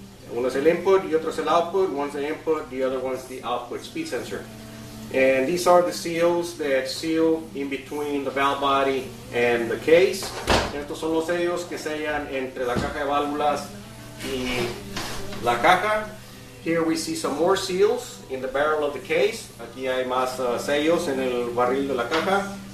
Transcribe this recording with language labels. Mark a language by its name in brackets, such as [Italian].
[English] One is the input, the other is the output. One's the input, the other one's the output speed sensor. And these are the seals that seal in between the valve body and the case. [Spanish] Estos son los sellos que sellan entre la caja de válvulas y la caja. [English] Here we see some more seals in the barrel of the case. [Spanish] Aquí hay más sellos en el barril de la caja.